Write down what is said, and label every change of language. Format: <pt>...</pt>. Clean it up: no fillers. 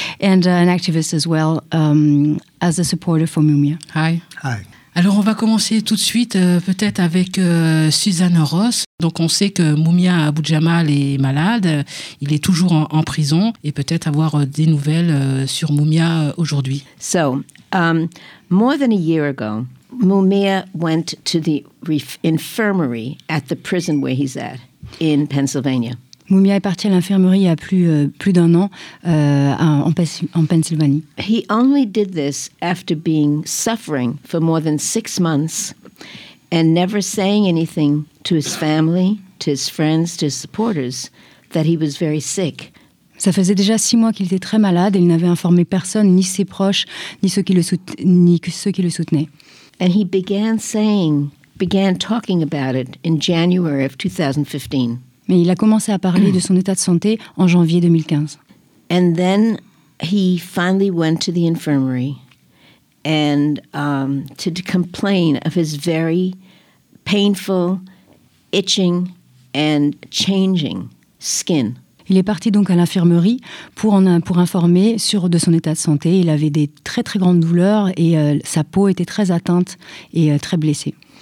<en>And an activist as well as a supporter for Moumia. Hi. Hi.</en> <fr>Alors, on va commencer tout de suite peut-être avec Suzanne Ross. Donc, on sait que Moumia Abou Djamal est malade, il est toujours en prison et peut-être avoir des nouvelles sur Moumia aujourd'hui.</fr> <en>So, more than a year ago, Moumia went to the infirmary at the prison where he's at in Pennsylvania.</en> <fr>Moumia est parti à l'infirmerie il y a plus d'un an en Pennsylvanie.</fr> <en>He only did this after being suffering for more than 6 months and never saying anything to his family, to his friends, to his supporters that he was very sick.</en> <fr>Ça faisait déjà 6 mois qu'il était très malade et il n'avait informé personne, ni ses proches, ni ceux qui le soutenaient.</fr> <en>And he began talking about it in January of 2015.</en> <fr>Mais il a commencé à parler de son état de santé en janvier 2015.</fr> <en>And then he finally went to the infirmary and to complain of his very painful, itching and changing skin.</en> <fr>Il est parti donc à l'infirmerie pour informer sur de son état de santé. Il avait des très très grandes douleurs et sa peau était très atteinte et très blessée.</fr>